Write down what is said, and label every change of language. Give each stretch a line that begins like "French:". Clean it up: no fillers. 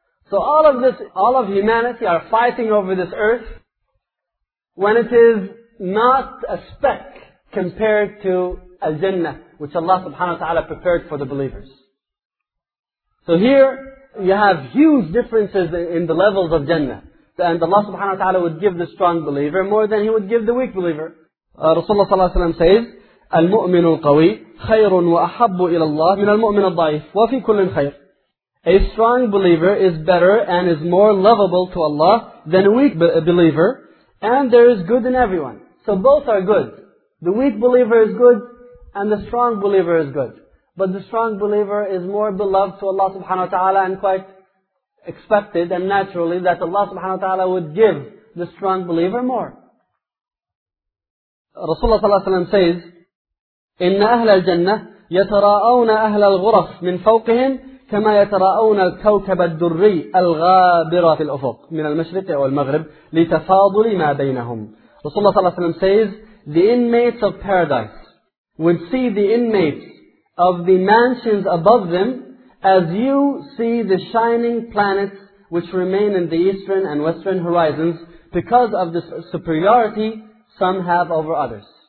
English: So all of this, all of humanity are fighting over this earth when it is not a speck compared to al-Jannah, which Allah subhanahu wa ta'ala prepared for the believers. So here, you have huge differences in the levels of Jannah. And Allah subhanahu wa ta'ala would give the strong believer more than He would give the weak believer. Rasulullah sallallahu alayhi wa sallam says,
Arabic: المؤمن القوي خير وأحب إلى الله من المؤمن الضعيف وفي كل خير.
English: A strong believer is better and is more lovable to Allah than a weak believer, and there is good in everyone. So both are good. The weak believer is good and the strong believer is good. But the strong believer is more beloved to Allah subhanahu wa ta'ala, and quite expected and naturally that Allah subhanahu wa ta'ala would give the strong believer more. Rasulullah sallallahu alayhi wa sallam says,
Arabic: إِنَّ أَهْلَ الْجَنَّةِ يَتَرَاءَوْنَ أَهْلَ الْغُرَفِ مِنْ فَوْقِهِمْ كَمَا يَتَرَاءَوْنَ الْكَوْكَبَ الدُّرِّيِّ الْغَابِرَ فِي الْأُفُقِ مِنَ الْمَشْرِقِ وَالْمَغْرِبِ لِتَفَاضُلِ مَا بَيْنَهُمْ.
English: Rasulullah صلى الله عليه وسلم says, the inmates of paradise would see the inmates of the mansions above them as you see the shining planets which remain in the eastern and western horizons because of the superiority some have over others.